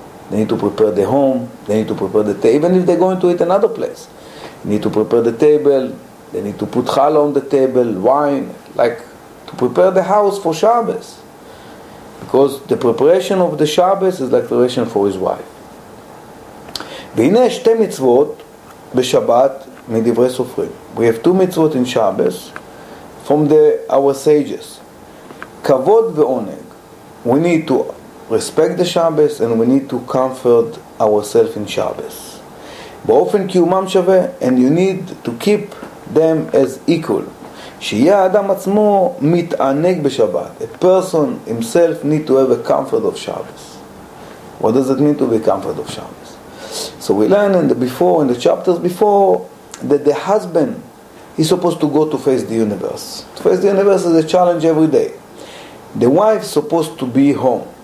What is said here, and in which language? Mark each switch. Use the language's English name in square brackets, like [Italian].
[English] They need to prepare the home. They need to prepare the table, even if they're going to eat another place. They need to prepare the table. They need to put challah on the table, wine, like to prepare the house for Shabbos. Because the preparation of the Shabbos is like preparation for his wife. [Hebrew] והנה שתי מצוות בשבת מדברי סופרים. [English] We have two mitzvot in Shabbos from our sages. [Hebrew] כבוד ועונג. [English] We need to respect the Shabbos and we need to comfort ourselves in Shabbos. [Hebrew] באופן קיומם שווה, [English] and you need to keep them as equal. [Hebrew] שיהיה האדם עצמו מתענג בשבת. [English] A person himself need to have a comfort of Shabbos. What does it mean to be comfort of Shabbos? So we learn in the chapters before, that the husband is supposed to go to face the universe. To face the universe is a challenge every day. The wife is supposed to be home.